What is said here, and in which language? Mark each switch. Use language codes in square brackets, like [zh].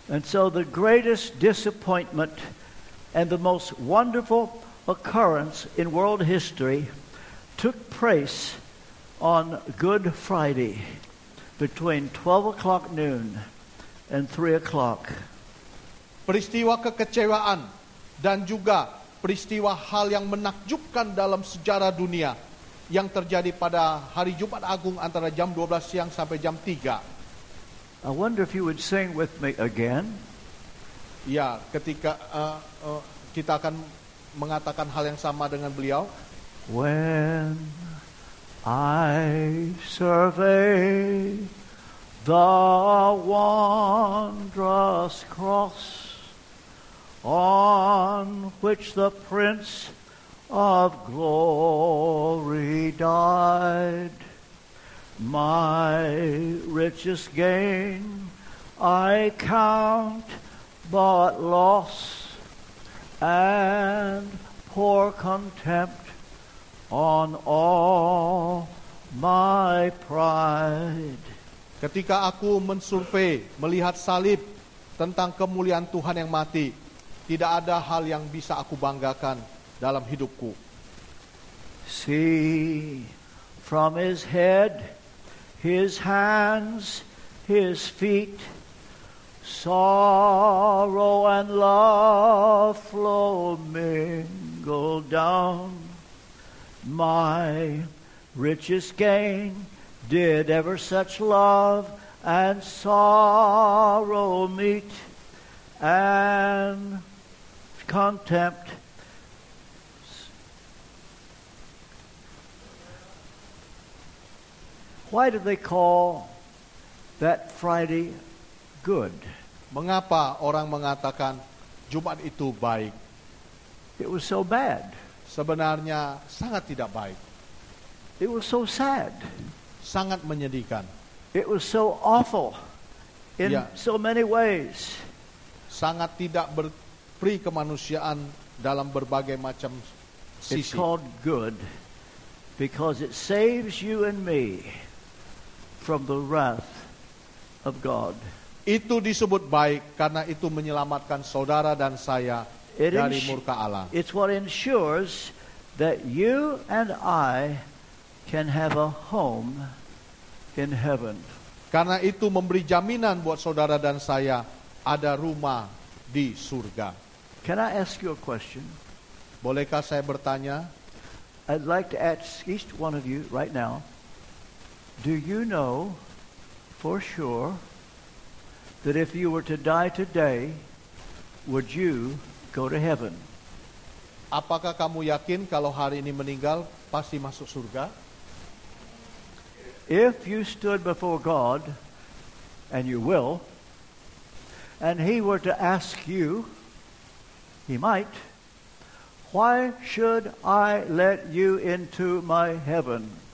[en] And so the greatest disappointment and the most wonderful occurrence in world history took place on Good Friday between 12 o'clock noon and 3 o'clock. [id] Peristiwa kekecewaan dan juga peristiwa hal yang menakjubkan dalam sejarah dunia yang terjadi pada hari Jumat Agung antara jam 12 siang sampai jam 3. [en] I wonder if you would sing with me again. [id] Ya, ketika kita akan mengatakan hal yang sama dengan beliau. [en] When I survey the wondrous cross on which the Prince of Glory died, my richest gain I count but loss and pour contempt on all my pride. [id] Ketika aku mensurvei, melihat salib tentang kemuliaan Tuhan yang mati, tidak ada hal yang bisa aku banggakan dalam hidupku. [en] See from his head, his hands, his feet, sorrow and love flow mingled down. My richest gain did ever such love and sorrow meet, and contempt. Why do they call that Friday good? [id] Mengapa orang mengatakan Jumat itu baik? [en] It was so bad. [id] Sebenarnya sangat tidak baik. [en] It was so sad. [id] Sangat menyedihkan. [en] It was so awful in so many ways. [id] Sangat tidak berperi kemanusiaan dalam berbagai macam sisi. [en] It's called good because it saves you and me from the wrath of God. [id] Itu disebut baik karena itu menyelamatkan saudara dan saya dari murka Allah. [en] It's what ensures that you and I can have a home in heaven. [id] Karena itu memberi jaminan buat saudara dan saya ada rumah di surga. [en] Can I ask you a question? [id] Bolehkah saya bertanya? [en] I'd like to ask each one of you right now. Do you know for sure that if you were to die today, would you go to heaven? [id] Apakah kamu yakin kalau hari ini meninggal pasti masuk surga? [en] If you stood before God, and you will, and He were to ask you, He might, why should I let you into my heaven?